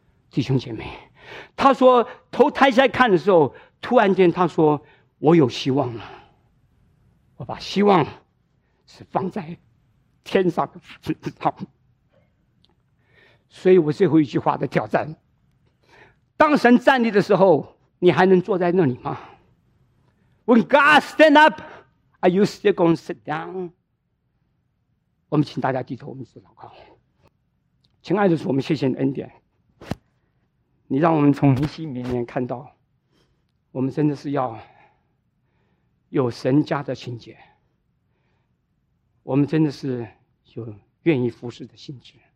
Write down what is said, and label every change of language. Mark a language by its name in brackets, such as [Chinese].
[Chinese] 弟兄姐妹，他说头抬起来看的时候，突然间他说我有希望了，我把希望是放在天上的父上。所以我最后一句话的挑战，当神站立的时候，你还能坐在那里吗？ [English] When God stand up, are you still going to sit down? [Chinese] 我们请大家低头，我们做祷告。亲爱的主，我们谢谢你的恩典，你让我们从尼希米面看到，我们真的是要有神家的心结，我们真的是有愿意服侍的心志。